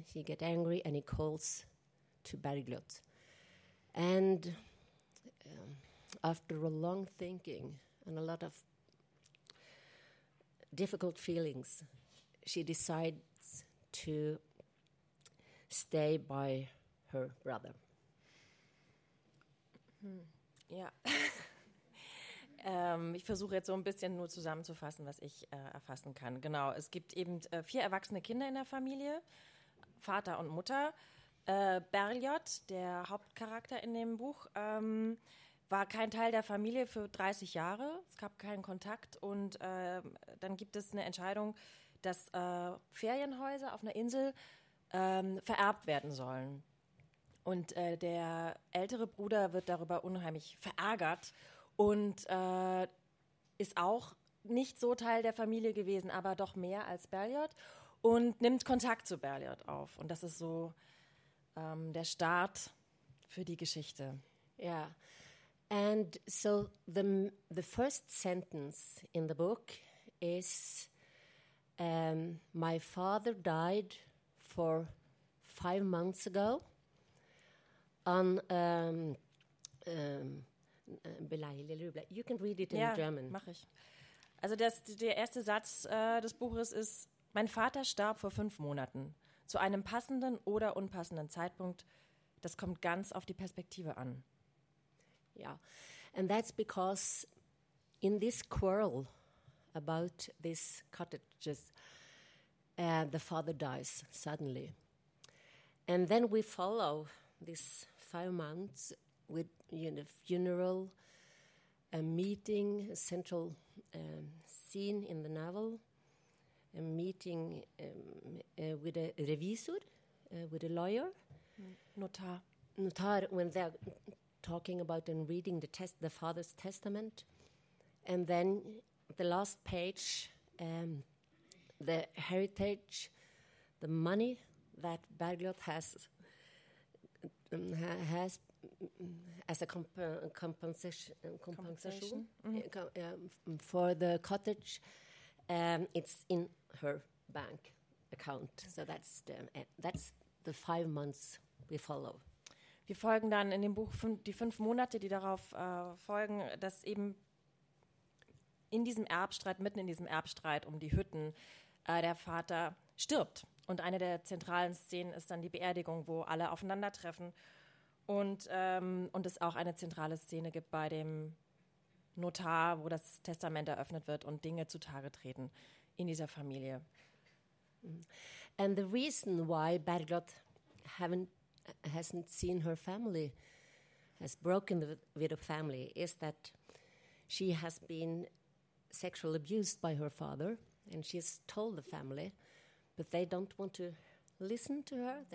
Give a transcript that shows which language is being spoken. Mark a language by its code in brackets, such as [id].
[en] He get angry and he calls to Bergljot. And after a long thinking and a lot of difficult feelings, she decides to stay by her brother. [de] Ja. ich versuche jetzt so ein bisschen nur zusammenzufassen, was ich erfassen kann. Genau, es gibt eben vier erwachsene Kinder in der Familie, Vater und Mutter. Bergljot, der Hauptcharakter in dem Buch, war kein Teil der Familie für 30 Jahre, es gab keinen Kontakt und dann gibt es eine Entscheidung, dass Ferienhäuser auf einer Insel vererbt werden sollen. Und der ältere Bruder wird darüber unheimlich verärgert und ist auch nicht so Teil der Familie gewesen, aber doch mehr als Bergljot und nimmt Kontakt zu Bergljot auf. Und das ist so der Start für die Geschichte. Ja. [en] And so the first sentence in the book is My father died for 5 months ago. On you can read it in German. [de] Ja, mache ich. Also der erste Satz des Buches ist: Mein Vater starb vor 5 Monaten. Zu einem passenden oder unpassenden Zeitpunkt. Das kommt ganz auf die Perspektive an. [en] Ja, and that's because in this quarrel about this cottage, the father dies suddenly. And then we follow these 5 months with a funeral, a meeting, a central scene in the novel, a meeting with a revisor, with a lawyer. [de] Notar, [en] when they're talking about and reading the father's testament. And then the last page, the heritage, the money that Bergljot has as a compensation. For the cottage, it's in her bank account. So that's the 5 months we follow. [de] Wir folgen dann in dem Buch die 5 Monate, die darauf folgen, dass eben in diesem Erbstreit, mitten in diesem Erbstreit um die Hütten, der Vater stirbt. Und eine der zentralen Szenen ist dann die Beerdigung, wo alle aufeinandertreffen. Und es auch eine zentrale Szene gibt bei dem Notar, wo das Testament eröffnet wird und Dinge zutage treten in dieser Familie. [en] And the reason why Bergljot hasn't seen her family, has broken with her family, is that she has been sexually abused by her father, and she has told the family, but they don't want to listen to her.